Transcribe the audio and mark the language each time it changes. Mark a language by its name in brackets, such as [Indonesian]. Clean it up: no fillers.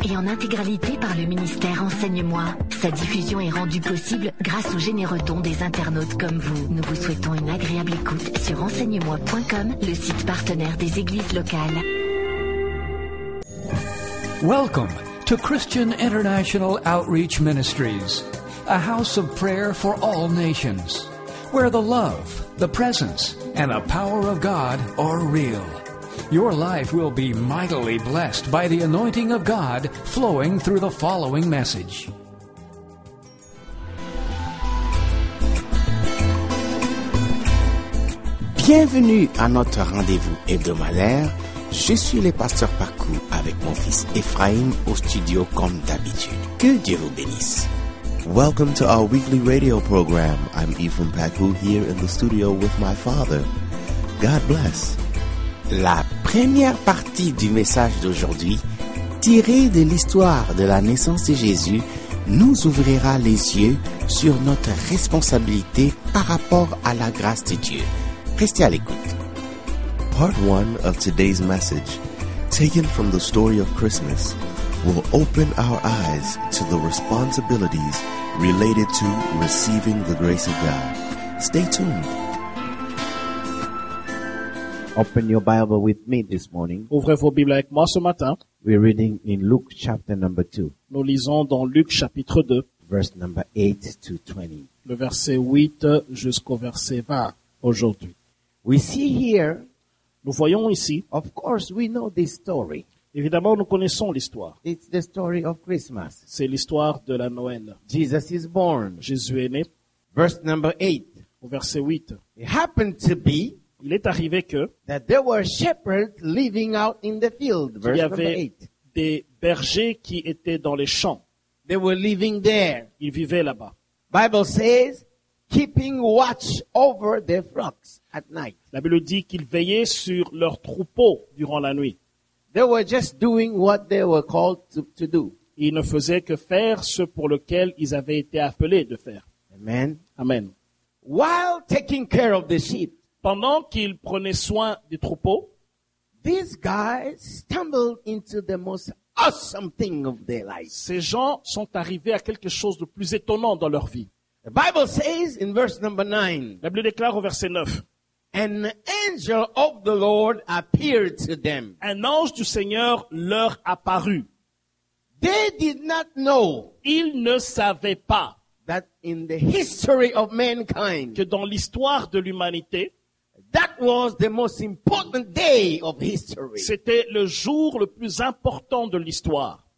[French] Et en intégralité par le ministère Enseigne-moi. Sa diffusion est rendue possible grâce aux généreux dons des internautes comme vous. Nous vous souhaitons une agréable écoute sur enseignemoi.com, le site partenaire des églises locales. [English] Welcome to Christian International Outreach Ministries, a house of prayer for all nations, where the love, the presence, and the power of God are real. Your life will be mightily blessed by the anointing of God flowing through the following message. [French] Bienvenue à notre rendez-vous hebdomadaire. Je suis le pasteur Pacou avec mon fils Ephraim au studio comme d'habitude. Que Dieu vous bénisse. [English] Welcome to our weekly radio program. I'm Ephraim Pacou here in the studio with my father. God bless. [French] La première partie du message d'aujourd'hui, tirée de l'histoire de la naissance de Jésus, nous ouvrira les yeux sur notre responsabilité par rapport à la grâce de Dieu. Restez à l'écoute. [English] Part 1 of today's message, taken from the story of Christmas, will open our eyes to the responsibilities related to receiving the grace of God. Stay tuned. Open your Bible with me this morning. [French] Ouvrez vos Bibles avec moi ce matin. [English] We're reading in Luke chapter number 2. [French] Nous lisons dans Luc chapitre 2. [English] Verse number 8 to 20. [French] Le verset 8 jusqu'au verset 20 aujourd'hui. [English] We see here. [French] Nous voyons ici. [English] Of course, we know this story. [French] Évidemment, nous connaissons l'histoire. [English] It's the story of Christmas. [French] C'est l'histoire de la Noël. [English] Jesus is born. [French] Jésus est né. [English] Verse number 8. [French] Au verset 8. [English] It happened to be. [French] Il est arrivé que. [English] That there were shepherds living out in the field. Verse number 8. [French] Il y avait des bergers qui étaient dans les champs. [English] They were living there. [French] Ils vivaient là-bas. [English] Bible says, keeping watch over their flocks. At night. [French] La Bible dit qu'ils veillaient sur leurs troupeaux durant la nuit. [English] They were just doing what they were called to do. [French] Ils ne faisaient que faire ce pour lequel ils avaient été appelés de faire. [English] Amen. [French] Amen. [English] While taking care of the sheep, [French] pendant qu'ils prenaient soin des troupeaux, [English] these guys stumbled into the most awesome thing of their life. [French] Ces gens sont arrivés à quelque chose de plus étonnant dans leur vie. [English] The Bible says in verse number 9. [French] La Bible déclare au verset 9. [English] An angel of the Lord appeared to them. [French] Un ange du Seigneur leur apparut. [English] They did not know. [French] Ils ne savaient pas. [English] That in the history of mankind. [French] Que dans l'histoire de l'humanité. [English] That was the most important day of history. [French] C'était le jour le plus important de l'histoire.